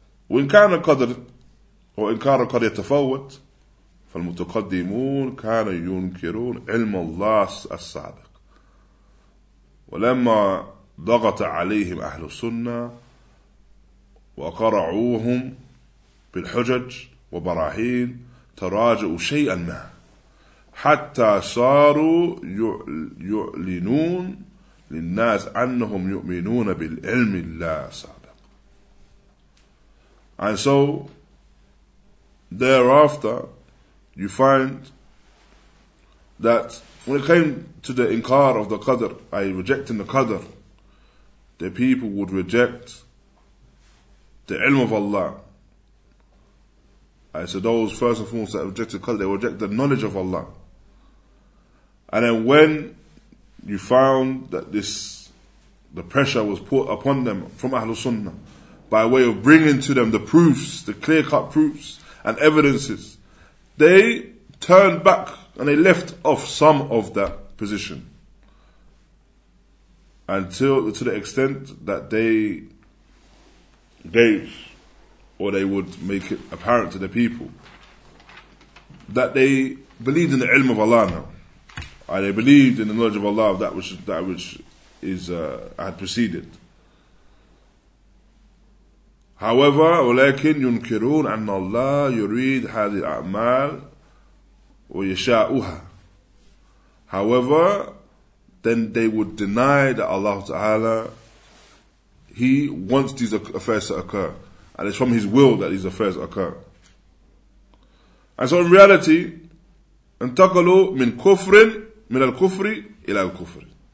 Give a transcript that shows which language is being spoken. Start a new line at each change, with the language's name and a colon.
Arabic: وإن كان القدر وإنكار القدر يتفوت فالمتقدمون كانوا ينكرون علم الله السابق ولما ضغط عليهم أهل السنة وقرعوهم بالحجج وبراهين تراجعوا شيئا ما حتى صاروا يعلنون للناس أنهم يؤمنون بالعلم الله السابق.
English: And so thereafter you find that when it came to the inkar of the Qadr, by rejecting the Qadr, the people would reject the ilm of Allah. I said, those first and foremost that rejected the Qadr, they reject the knowledge of Allah. And then when you found that the pressure was put upon them from Ahlul Sunnah by way of bringing to them the proofs, the clear-cut proofs and evidences, they turned back and they left off some of that position until to the extent that they gave, or they would make it apparent to the people that they believed in the ilm of Allah now, and they believed in the knowledge of Allah of that which had preceded. However,
Arabic: ولكن ينكرون أن الله يريد هذه الأعمال ويشاؤها.
English: However, then they would deny that Allah Ta'ala, He wants these affairs to occur, and it's from His will that these affairs occur. And so in reality,
Arabic: انتقلوا من كفر من الكفر إلى الكفر.